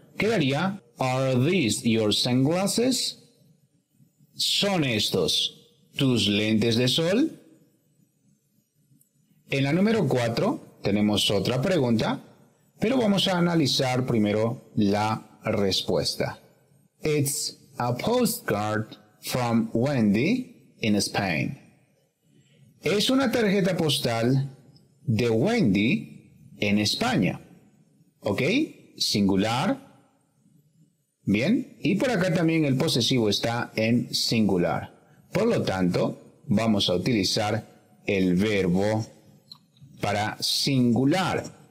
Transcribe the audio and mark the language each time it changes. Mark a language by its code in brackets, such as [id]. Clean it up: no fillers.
[en] Quedaría, ¿Are these your sunglasses? [es] ¿Son estos tus lentes de sol? En la número 4 tenemos otra pregunta, pero vamos a analizar primero la respuesta. [en] It's a postcard from Wendy in Spain. [es] Es una tarjeta postal de Wendy en España. ¿Ok? Singular. Bien. Y por acá también el posesivo está en singular. Por lo tanto, vamos a utilizar el verbo para singular.